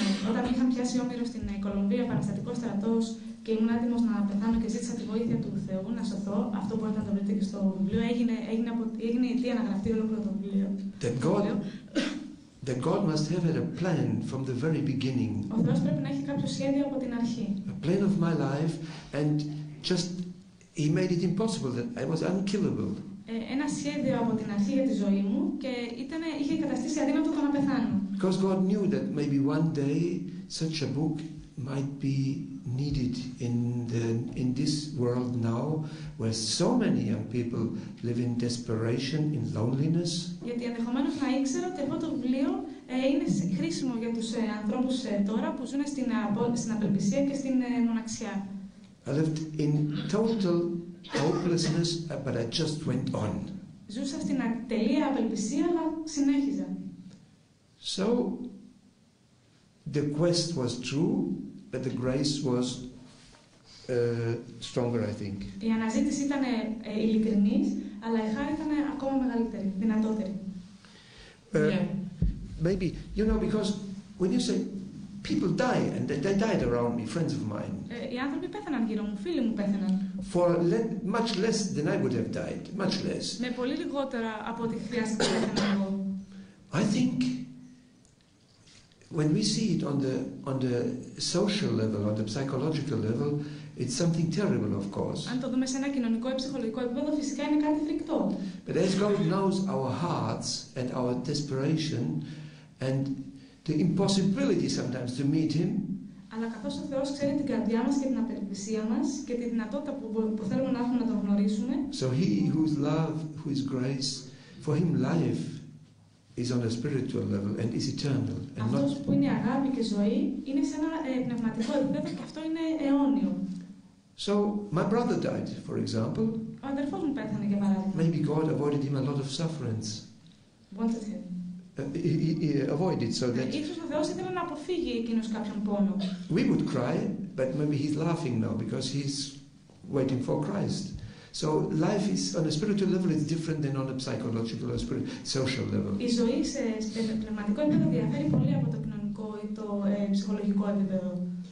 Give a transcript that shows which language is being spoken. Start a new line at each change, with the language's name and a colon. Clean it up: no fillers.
Greek: Όταν είχαν πιάσει όμηρο στην Κολομβία, παραστατικό στρατός, και ήμουν έτοιμος να πεθάνω και ζήτησα τη βοήθεια του Θεού να σωθώ, αυτό μπορείτε να το βρείτε και στο βιβλίο, έγινε η αιτία να γραφτεί ολόκληρο το βιβλίο.
English: That God must have had a plan from the very beginning.
Greek: Ο Θεός πρέπει να έχει κάποιο σχέδιο από την αρχή.
English: A plan of my life, and just He made it impossible that I was unkillable.
Greek: Ένα σχέδιο από την αρχή για τη ζωή μου και είχε καταστήσει αδύνατο το να πεθάνω.
English: Because God knew that maybe one day such a book might be needed in this world now, where so many young people live in desperation, in loneliness.
Greek: Γιατί ενδεχομένως να ήξερα ότι αυτό το βιβλίο είναι χρήσιμο για τους ανθρώπους τώρα που ζουν στην απελπισία και στην μοναξιά.
English: I lived in total hopelessness, but I just went on.
Greek: Ζούσα στην ατελεία απελπισία, αλλά συνέχιζα.
English: So the quest was true, but the grace was stronger, I think.
Greek: Η αναζήτηση ήταν ειλικρινής, αλλά η χάρη ήταν ακόμα μεγαλύτερη, δυνατότερη.
English: Maybe, you know, because when you say people die, and they died around me, friends of mine.
Greek: Οι άνθρωποι πέθαναν γύρω μου, φίλοι μου πέθαναν.
English: For much less than I would have died, much less.
Greek: Με πολύ λιγότερα από ό,τι χρειάστηκε πέθανα εγώ.
English: I think when we see it on the social level, on the psychological level, it's something terrible, of course.
Greek: Αν το δούμε σε ένα κοινωνικό ή ψυχολογικό επίπεδο, φυσικά είναι κάτι φρικτό.
English: But as God knows our hearts and our desperation and the impossibility sometimes to meet Him.
Greek: Αλλά καθώς ο Θεός ξέρει την καρδιά μας και την απελπισία μας και τη δυνατότητα που θέλουμε να έχουμε να τον γνωρίσουμε.
English: So He who is love, who is grace, for Him life is on a spiritual level and is eternal. And
Greek: αυτός που είναι αγάπη και ζωή είναι σε ένα πνευματικό επίπεδο και αυτό είναι αιώνιο.
English: So my brother died, for example.
Greek: Ο αδερφός μου πέθανε, για παράδειγμα.
English: Maybe God avoided him a lot of sufferings. Wanted him. He avoided so that.
Greek: Ίσως ο Θεός ήθελε να αποφύγει εκείνος κάποιον πόνο.
English: We would cry, but maybe he's laughing now because he's waiting for Christ. So life is on a spiritual level is different than on a psychological or social level.
Greek: Η ζωή σε πνευματικό επίπεδο διαφέρει πολύ από το κοινωνικό ή το ψυχολογικό επίπεδο.